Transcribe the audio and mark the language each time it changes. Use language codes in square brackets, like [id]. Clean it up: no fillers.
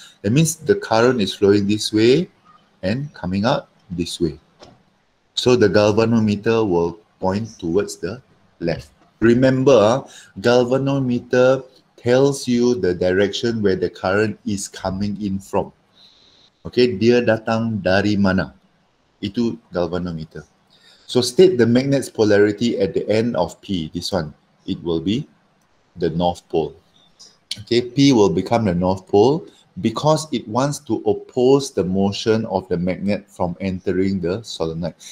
[en] That means the current is flowing this way and coming out this way. So the galvanometer will point towards the left. Remember, galvanometer tells you the direction where the current is coming in from. [ms] Okay, dia datang dari mana? Itu galvanometer. [en] So state the magnet's polarity at the end of P, this one. It will be the North Pole. Okay, P will become the North Pole because it wants to oppose the motion of the magnet from entering the solenoid.